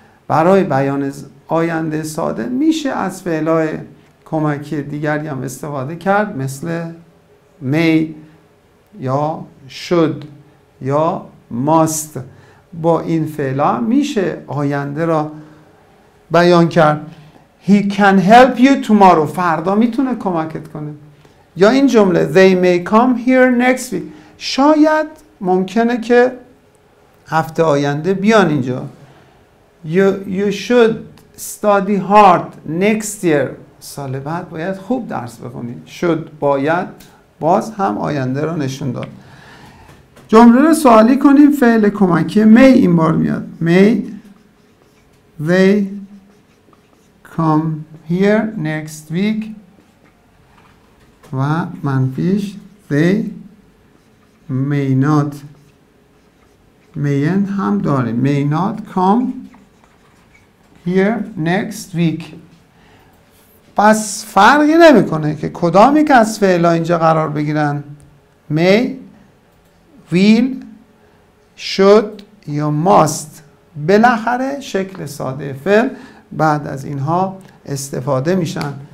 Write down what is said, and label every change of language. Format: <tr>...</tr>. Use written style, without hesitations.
<fa>برای بیان آینده ساده میشه از فعلای کمکی دیگری هم استفاده کرد، مثل می یا شد یا ماست. با این فعلا میشه آینده را بیان کرد.</fa> <en>He can help you tomorrow،</en> <fa>فردا میتونه کمکت کنه. یا این جمله</fa> <en>They may come here next week،</en> <fa>شاید ممکنه که هفته آینده بیان اینجا.</fa> <en>You should study hard next year،</en> <fa>سال بعد باید خوب درس بخونی. شد باید، باز هم آینده رو نشون داد. جمله رو سوالی کنیم، فعل کمکی may این بار میاد.</fa> <en>May they come here next week،</en> <fa>و منفیش</fa> <en>they may not</en> <fa>میین هم داریم.</fa> <en>May not come here next week.</en> <fa>پس فرقی نمیکنه که کدامی که از فعلا اینجا قرار بگیرن، may، will، should یا must، بالاخره شکل ساده فعل بعد از اینها استفاده میشن.</fa>